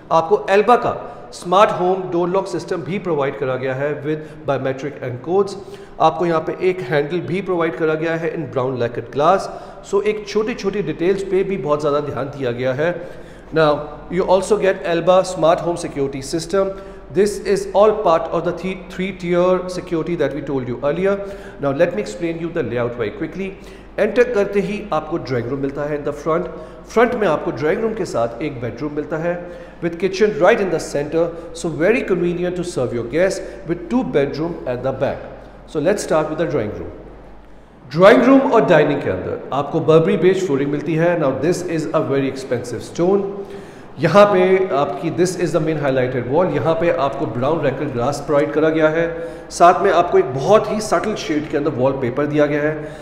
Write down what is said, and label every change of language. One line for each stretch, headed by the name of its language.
Hindi: आपको एल्बा का smart home door lock system भी प्रोवाइड करा गया है
English: With biometric encodes.
Hindi: आपको यहाँ पे एक हैंडल भी प्रोवाइड करा गया है
English: In brown lacquered glass.
Hindi: सो एक छोटी छोटी डिटेल्स पे भी बहुत ज़्यादा ध्यान दिया गया है.
English: Now you also get Alba smart home security system. This is all part of the 3-tier security that we told you earlier. Now let me explain you the layout very quickly.
Hindi: Enter करते ही आपको drawing room मिलता है
English: in the front.
Hindi: Front में आपको drawing room के साथ एक bedroom मिलता है
English: with kitchen right in the center. So very convenient to serve your guests with 2 bedroom at the back. So let's start with the drawing room.
Hindi: Drawing room और dining के अंदर आपको Barbari beige flooring मिलती है.
English: Now this is a very expensive stone.
Hindi: यहाँ पे आपकी
English: this is the main highlighted wall,
Hindi: यहाँ पे आपको ब्राउन रेकर ग्लास प्रोवाइड करा गया है, साथ में आपको एक बहुत ही सटल शेड के अंदर वॉलपेपर दिया गया है।